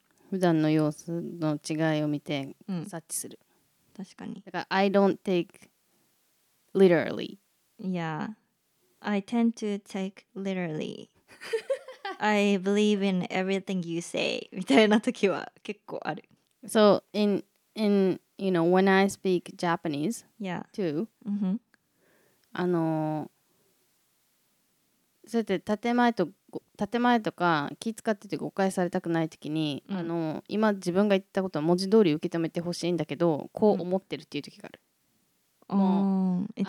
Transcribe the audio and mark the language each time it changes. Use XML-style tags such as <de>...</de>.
<ja>普段の様子の違いを見て察知する、うん、確かに、だから</ja> <en>I don't take literally、 yeahI tend to take literally. I believe in everything you say.</en> <ja>みたいな時は結構ある。</ja> <en>So in you know, when I speak Japanese, yeah, too,、 mm-hmm.</en> <ja>あのそうやって建前とか気使ってて誤解されたくない時に、mm-hmm. あの今自分が言ったことは文字通り受け止めてほしいんだけど、こう思ってるっていう時がある。</ja> <en>Mm-hmm.</en>